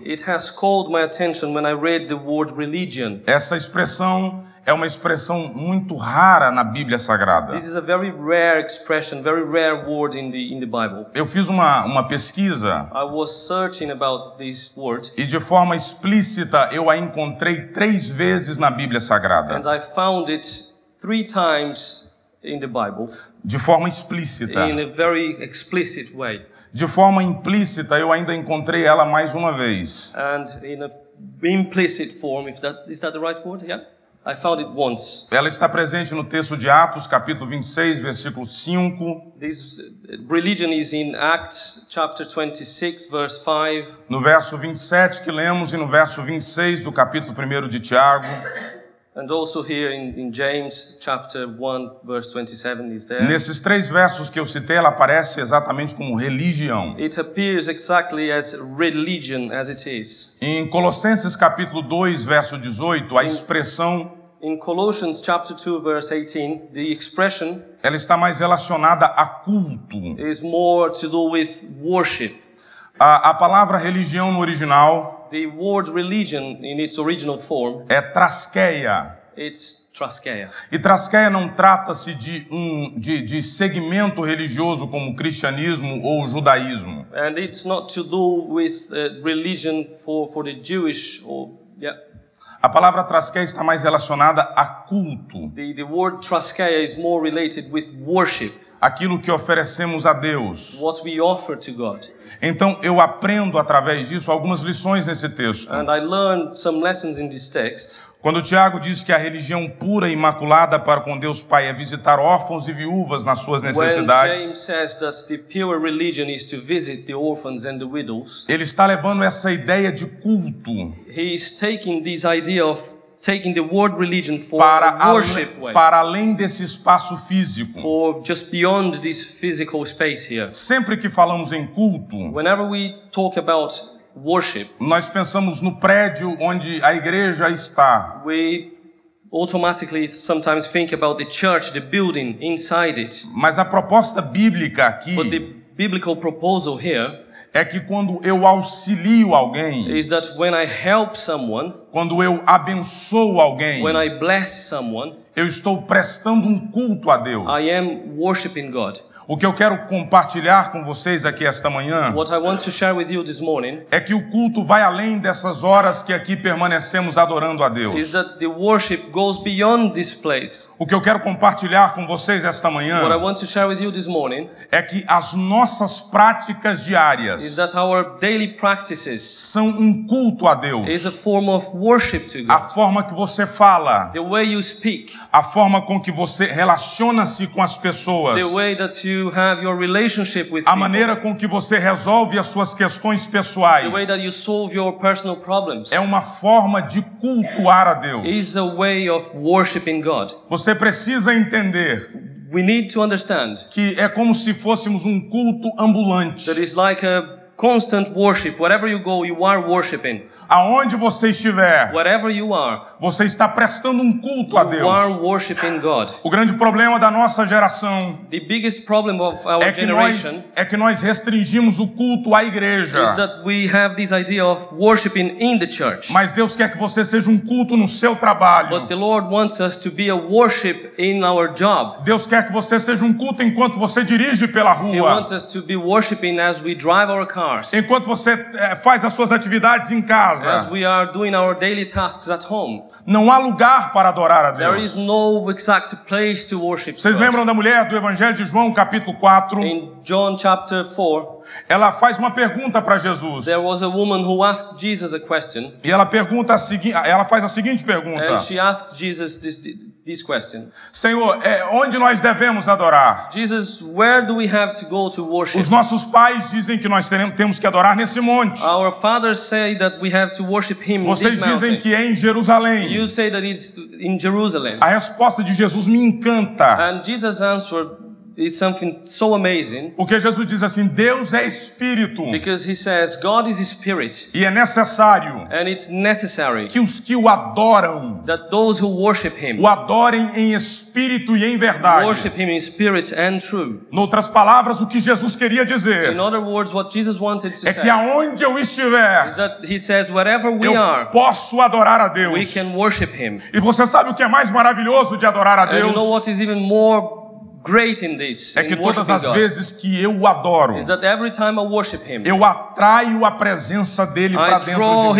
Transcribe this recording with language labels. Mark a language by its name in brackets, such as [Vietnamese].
[English] It has called my attention when I read the word religion. [Portuguese] Essa expressão é uma expressão muito rara na Bíblia Sagrada. [English] This is a very rare expression, very rare word in the Bible. [Portuguese] Eu fiz uma pesquisa. [English] I was searching about this word. [Portuguese] E de forma explícita eu a encontrei três vezes na Bíblia Sagrada. [English] And I found it three times in the Bible. [Portuguese] De forma explícita. [English] In a very explicit way. [Portuguese] De forma implícita eu ainda encontrei ela mais uma vez. [English] And in a implicit form, is that the right word? Yeah. I found it once. [Portuguese] Ela está presente no texto de Atos, capítulo 26, versículo 5. [English] This religion is in Acts chapter 26, verse 5. [Portuguese] No verso 27 que lemos e no verso 26 do capítulo 1 de Tiago. [English] And also here in James chapter 1, verse 27 is there. [Portuguese] Nesses três versos que eu citei, ela aparece exatamente como religião. [English] It appears exactly as religion as it is. [Portuguese] Em Colossenses capítulo 2, verso 18, a expressão [English] in Colossians chapter 2, verse 18, the expression, [Portuguese] ela está mais relacionada a culto. [English] Is more to do with worship. [Portuguese] A palavra religião no original, [English] the word religion in its original form, [Portuguese] é trasqueia. [English] It's trasqueia. [Portuguese] E trasqueia não trata-se de segmento religioso como cristianismo ou judaísmo. [English] And it's not to do with religion for the Jewish or yeah. [Portuguese] A palavra trasqueia está mais relacionada a culto. [English] The word trasqueia is more related with worship. [Portuguese] Aquilo que oferecemos a Deus. [English] What we offer to God. [Portuguese] Então eu aprendo através disso algumas lições nesse texto. [English] And I learned some lessons in this text. [Portuguese] Quando Tiago diz que a religião pura e imaculada para com Deus Pai é visitar órfãos e viúvas nas suas necessidades, [English] when James says that the pure religion is to visit the orphans and the widows, [Portuguese] ele está levando essa ideia de culto. [English] He is taking this idea of taking the word religion for [Portuguese] para [English] a worship way. [Portuguese] Para além desse espaço físico. [English] Or just beyond this physical space here. [Portuguese] Sempre que falamos em culto, [English] whenever we talk about worship, [Portuguese] nós pensamos no prédio onde a igreja está. [English] We automatically sometimes think about the church, the building inside it. [Portuguese] Mas a proposta bíblica aqui, [English] but the biblical proposal here, [Portuguese] é que quando eu auxilio alguém, [English] is that when I help someone, [Portuguese] quando eu abençoo alguém, [English] when I bless someone, [Portuguese] Eu estou prestando culto a Deus. [English] I am worshiping God. [Portuguese] O que eu quero compartilhar com vocês aqui esta manhã, [English] what I want to share with you this morning, [Portuguese] é que o culto vai além dessas horas que aqui permanecemos adorando a Deus. [English] Is that the worship goes beyond this place. [Portuguese] O que eu quero compartilhar com vocês esta manhã, [English] what I want to share with you this morning, [Portuguese] é que as nossas práticas diárias, [English] is that our daily practices, [Portuguese] são um culto a Deus. [English] Is a form of worship to God. [Portuguese] A forma que você fala, [English] the way you speak, [Portuguese] a forma com que você relaciona-se com as pessoas, [English] the way that you have your relationship with [Portuguese] a maneira com que você resolve as suas questões pessoais, [English] the way that you solve your personal problems, [Portuguese] é uma forma de cultuar a Deus, [English] is a way of worshiping God. [Portuguese] Você precisa entender, [English] we need to understand, [Portuguese] que é como se fôssemos culto ambulante, [English] that is like a constant worship. Wherever you go, you are worshiping. [Portuguese] Aonde você estiver, [English] wherever you are, [Portuguese] você está prestando culto [English] you [Portuguese] a Deus. [English] Are worshiping God. [Portuguese] O grande problema da nossa geração, [English] the biggest problem of our generation, [Portuguese] é que nós restringimos o culto à igreja. [English] Is that we have this idea of worshiping in the church. [Portuguese] Mas Deus quer que você seja culto no seu trabalho. [English] But the Lord wants us to be a worship in our job. [Portuguese] Deus quer que você seja culto enquanto você dirige pela rua. [English] He wants us to be worshiping as we drive our cars. [Portuguese] Enquanto você faz as suas atividades em casa. [English] As we are doing our daily tasks at home. [Portuguese] Não há lugar para adorar a Deus. [English] There is no exact place to worship. [Portuguese] Vocês lembram da mulher do Evangelho de João, capítulo 4? [English] In John chapter 4. [Portuguese] Ela faz uma pergunta para Jesus. [English] There was a woman who asked Jesus a question. [Portuguese] E ela pergunta a seguinte, ela faz a seguinte pergunta. [English] And she asks Jesus this question. [Portuguese] Senhor, onde nós devemos adorar? [English] Jesus, where do we have to go to worship? [Portuguese] Os nossos pais dizem que nós temos que adorar nesse monte. [English] Our fathers say that we have to worship him in this mountain. [Portuguese] Vocês dizem que é em Jerusalém. [English] You say that it's in Jerusalem. [Portuguese] A resposta de Jesus me encanta. [English] And Jesus answered is something so amazing. [Portuguese] Porque Jesus diz assim, Deus é espírito. [English] Because he says God is spirit. [Portuguese] E é necessário. [English] And it's necessary. [Portuguese] Que os que o adoram, [English] that those who worship him, [Portuguese] o adorem em espírito e em verdade. [English] Worship him in spirit and truth. [Portuguese] Em outras palavras, o que Jesus queria dizer, [English] in other words, what Jesus wanted to [Portuguese] é que aonde eu estiver, [English] is that he says wherever we are, [Portuguese] eu posso adorar a Deus. [English] We can worship him. [Portuguese] E você sabe o que é mais maravilhoso de adorar a [English] and [Portuguese] Deus? [English] You know what is even more great in this, [Portuguese] é que todas as vezes que eu o adoro, [English] is that every time I worship him, [Portuguese] eu atraio a presença dele para dentro de mim.